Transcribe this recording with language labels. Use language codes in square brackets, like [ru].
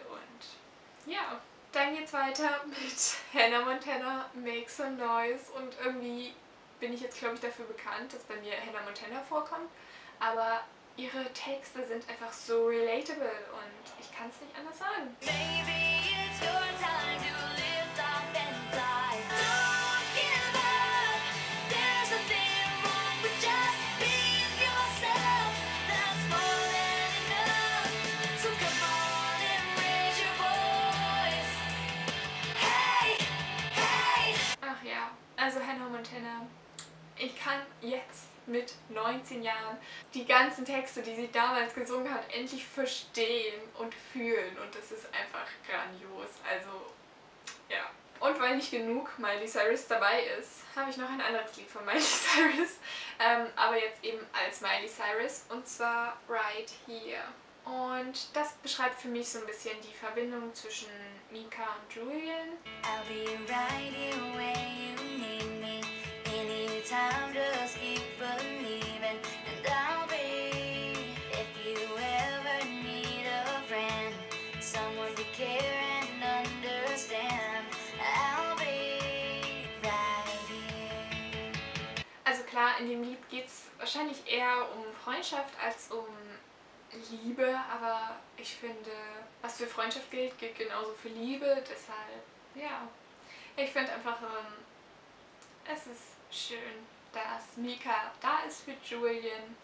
[de] Und ja, dann geht's weiter mit Hannah Montana, Make Some Noise. Und irgendwie bin ich jetzt, glaube ich, dafür bekannt, dass bei mir Hannah Montana vorkommt. Aber ihre Texte sind einfach so relatable und ich kann es nicht anders sagen. [en] Maybe it's your time to live life and fly. Don't give up, there's nothing wrong with just being yourself. That's more than enough, so come on and raise your voice. [de] Hey, hey! Ach ja, also Hannah Montana. Ich kann jetzt mit 19 Jahren die ganzen Texte, die sie damals gesungen hat, endlich verstehen und fühlen. Und das ist einfach grandios. Also, ja. Und weil nicht genug Miley Cyrus dabei ist, habe ich noch ein anderes Lied von Miley Cyrus. Aber jetzt eben als Miley Cyrus. Und zwar Right Here. Und das beschreibt für mich so ein bisschen die Verbindung zwischen Mika und Julian. [en] I'll be right here where you need me. Time just keep believing, and I'll be. If you ever need a friend, someone to care and understand, I'll be right here. [de] Also klar, in dem Lied geht's wahrscheinlich eher um Freundschaft als um Liebe, aber ich finde, was für Freundschaft gilt, gilt genauso für Liebe. Deshalb, ja, ich finde einfach, es ist schön, dass Mika da ist für Julian.